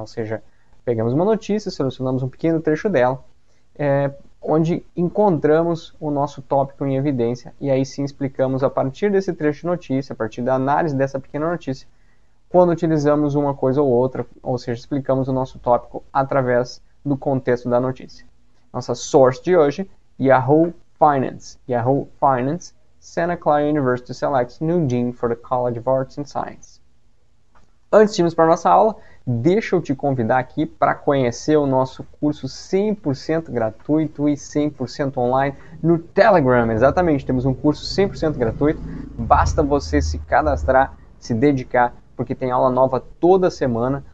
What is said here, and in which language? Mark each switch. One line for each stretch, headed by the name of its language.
Portuguese: Ou seja, pegamos uma notícia, selecionamos um pequeno trecho dela, onde encontramos o nosso tópico em evidência, e aí sim explicamos a partir desse trecho de notícia, a partir da análise dessa pequena notícia, quando utilizamos uma coisa ou outra, ou seja, explicamos o nosso tópico através do contexto da notícia. Nossa source de hoje, Yahoo Finance.
English: Yahoo Finance, Santa Clara University selects new dean for the College of Arts and Sciences.
Portuguese: Antes de irmos para a nossa aula, deixa eu te convidar aqui para conhecer o nosso curso 100% gratuito e 100% online no Telegram. Exatamente, temos um curso 100% gratuito. Basta você se cadastrar, se dedicar, porque tem aula nova toda semana.